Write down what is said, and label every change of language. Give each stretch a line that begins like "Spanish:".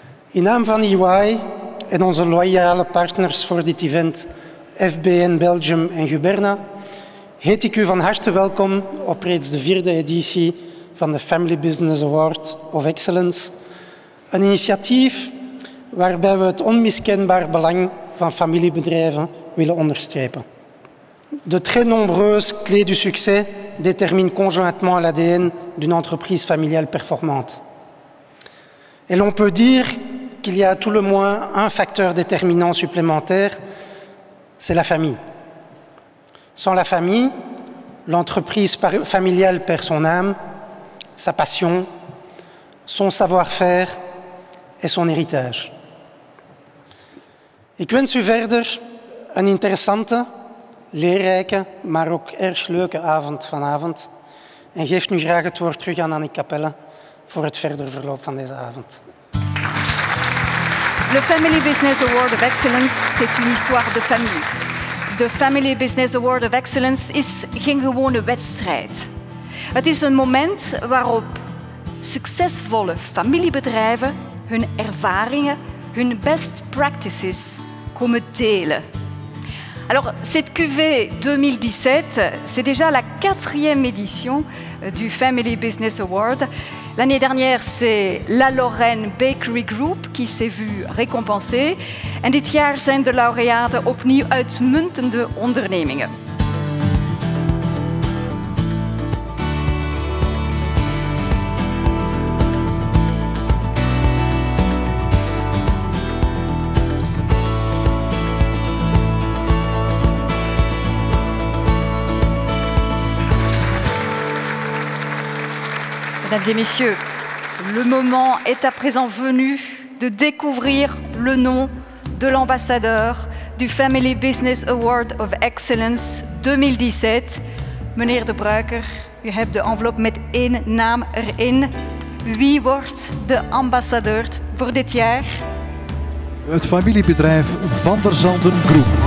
Dutch: In naam van EY en onze loyale partners voor dit event, FBN Belgium en Guberna, heet ik u van harte welkom op reeds de vierde editie van de Family Business Award of Excellence. Een initiatief waarbij we het onmiskenbaar belang van familiebedrijven willen onderstrepen.
French: De très nombreuses clés du succès déterminent conjointement l'ADN d'une entreprise familiale performante. Et l'on peut dire qu'il y a à tout le moins un facteur déterminant supplémentaire, c'est la famille. Sans la famille, l'entreprise familiale perd son âme, sa passion, son savoir-faire et son héritage.
Dutch: Ik wens u verder een interessante, leerrijke, maar ook erg leuke avond vanavond. En geef nu graag het woord terug aan Annick Capelle voor het verdere verloop van deze avond.
French: Le Family Business Award of Excellence, c'est une histoire de famille.
Dutch: De Family Business Award of Excellence is geen gewone wedstrijd. Het is een moment waarop succesvolle familiebedrijven hun ervaringen, hun best practices komen delen.
French: Alors, cette cuvée 2017, c'est déjà la quatrième édition du Family Business Award. L'année dernière, c'est la Lorraine Bakery Group qui s'est vue récompensée.
Dutch: En dit jaar zijn de laureaten opnieuw uitmuntende ondernemingen.
French: Mesdames et messieurs, le moment est à présent venu de découvrir le nom de l'ambassadeur du Family Business Award of Excellence 2017.
Dutch: Meneer De Bruyker, u hebt de enveloppe met één naam erin. Wie wordt de ambassadeur voor dit jaar? Het familiebedrijf Van der Zanden Groep.